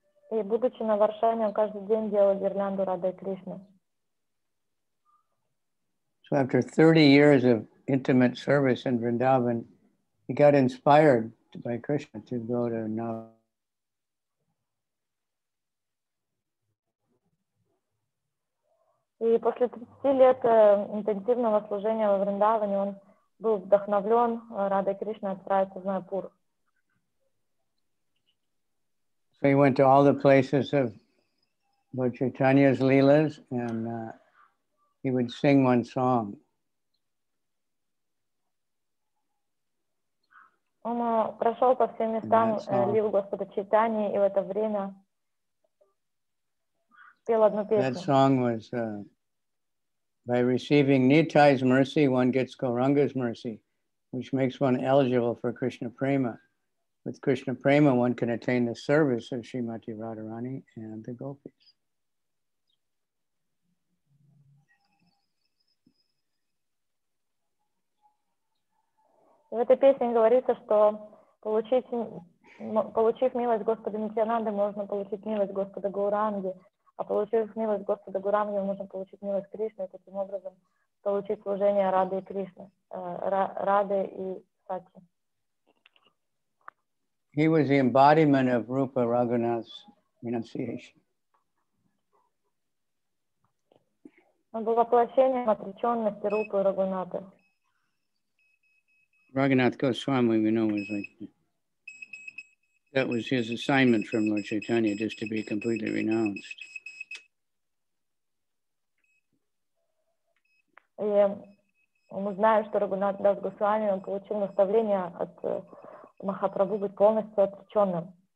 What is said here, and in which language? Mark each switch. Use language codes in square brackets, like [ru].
[ru] И будучи на Варшане, он каждый день делал гирлянду Радхи Кришны. [en] So after 30 years of intimate service in Vrindavan, he got inspired by Krishna to go to Navadvipa. [ru] И после 30 лет интенсивного служения во Вриндаване он был вдохновлен Радхой Кришной отправиться в Майяпур. [en] So he went to all the places of Lord Chaitanya's Leelas and he would sing one song. [ru] Он прошел по всем местам лил Господа Чайтани, и в это время пел одну песню. [en] That song was by receiving Nitai's mercy, one gets Gauranga's mercy, which makes one eligible for Krishna Prema. With Krishna Prema, one can attain the service of Srimati Radharani and the Gopis. [ru] В этой песне говорится, что получив милость Господа Нитянанды, можно получить милость Господа Гауранги, а получив милость Господа Гауранги, можно получить милость Кришны, и таким образом получить служение Рады и Кришны, Рады и Сати. [en] He was the embodiment of Rupa Raghunath's renunciation. [ru] Он был воплощением отреченности Рупы Рагунаты. [en] Raghunath Goswami, we know, was like that was his assignment from Lord Chaitanya, just to be completely renounced. [ru] Мы знаем, что Raghunath Das Goswami получил наставление от Махапрабху быть полностью отреченным.